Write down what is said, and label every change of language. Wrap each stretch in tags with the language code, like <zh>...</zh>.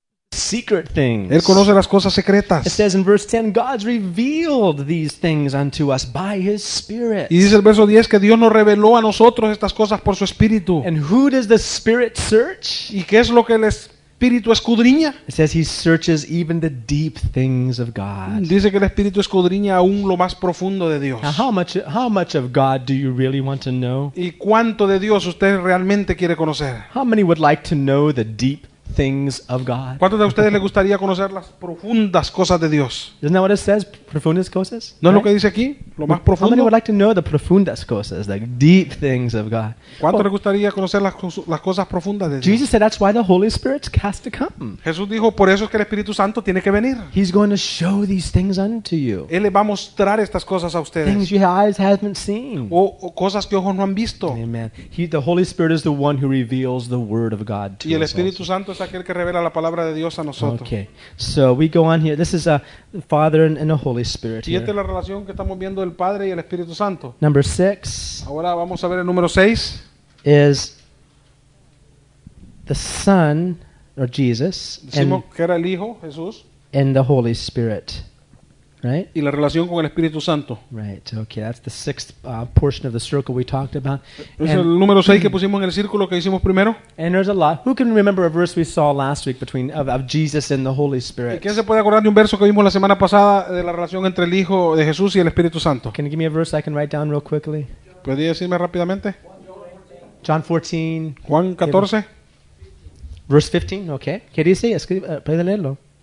<en>Secret things.</en> <es>Él conoce las cosas secretas.</es> <en>It says in verse 10, God's revealed these things unto us by His Spirit.</en> <es>Y dice el verso 10 que Dios nos reveló a nosotros estas cosas por su Espíritu.</es> <en>And who does the Spirit search?</en> <es>¿Y qué es lo que les Espíritu escudriña?</es> <en>It says he searches even the deep things of God.</en> <es>Dice que el Espíritu escudriña aún lo más profundo de Dios.</es> <en>Now how much of God do you really want to know?</en> <es>¿Y cuánto de Dios usted realmente quiere conocer?</es> <en>How many would like to know the deep things of God?</en> <es>¿Cuántos de ustedes les gustaría conocer las profundas cosas de Dios?</es> <en>Isn't that what it says?</en> <es>Profundas cosas? ¿No es lo que dice aquí? Lo más profundo.</es> <en>How many would like to know the</en> <es>profundas cosas,</es> <en>the deep things of God?</en> <es>¿Cuántos les gustaría conocer las cosas profundas de Dios?</es> <en>Jesus said that's why the Holy Spirit has to come.</en> <es>Jesús dijo, por eso es que el Espíritu Santo tiene que venir.</es> <en>He's going to show these things unto you.</en> <es>Él le va a mostrar estas cosas a ustedes.</es> <en>Things your eyes haven't seen.</en> <es>O cosas que ojos no han visto.</es> <en>Amen. The Holy Spirit is the one who reveals the Word of God to us.</en> <es>Y el Espíritu Santo es aquel que revela la palabra de Dios a nosotros.</es> <en>Okay, so we go on here. This is a Father and the Holy Spirit.</en> <es>Y esta es la relación que estamos viendo del Padre y el Espíritu Santo.</es> <en>Number 6.</en> <es>Ahora vamos a ver el número 6.</es> <en>Is the Son or Jesus?</en> <es>Decimos que era el Hijo, Jesús.</es> <en>And the Holy Spirit, right?</en> <es>Y la relación con el Espíritu Santo.</es> <en>Right. Okay, that's the sixth portion of the circle we talked about.</en> <es>Es el número 6 que pusimos en el círculo que hicimos primero.</es> <en>And there's a lot. Who can remember a verse we saw last week between of Jesus and the Holy Spirit?</en> <es>¿Quién se puede acordar de un verso que vimos la semana pasada de la relación entre el Hijo de Jesús y el Espíritu Santo?</es> <en>Can you give me a verse I can write down real quickly?</en> <es>¿Puede decirme rápidamente?</es> <en>John 14.</en> <es>Juan 14.</es> <en>Verse 15, okay.</en> <es>¿Qué dice? Escribe, puede leerlo.</es>